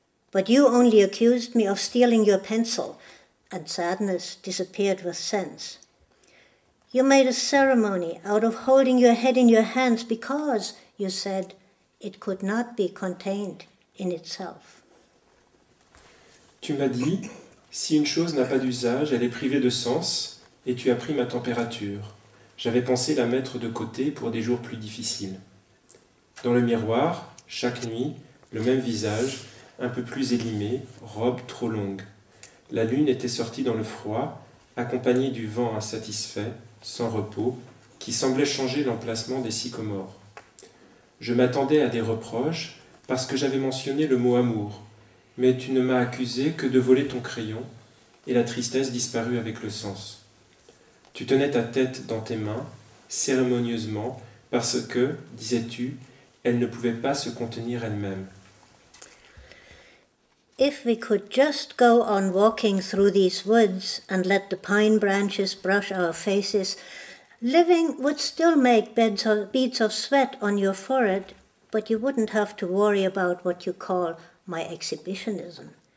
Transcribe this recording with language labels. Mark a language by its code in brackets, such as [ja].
[en] But you only accused me of stealing your pencil, and sadness disappeared with sense. You made a ceremony out of holding your head in your hands because, you said, it could not be contained in itself. [fr] Tu m'as dit, Si une chose n'a pas d'usage, elle est privée de sens, et tu as pris ma température. J'avais pensé la mettre de côté pour des jours plus difficiles. Dans le miroir, chaque nuit, le même visage, un peu plus élimé, robe trop longue. La lune était sortie dans le froid, accompagnée du vent insatisfait, sans repos, qui semblait changer l'emplacement des sycomores. Je m'attendais à des reproches parce que j'avais mentionné le mot amour, mais tu ne m'as accusé que de voler ton crayon et la tristesse disparut avec le sens. Tu tenais ta tête dans tes mains, cérémonieusement, parce que, disais-tu, elle ne pouvait pas se contenir elle-même. [en] If we could just go on walking through these woods and let the pine branches brush our faces, living would still make beads of sweat on your forehead, but you wouldn't have to worry about what you call my exhibitionism.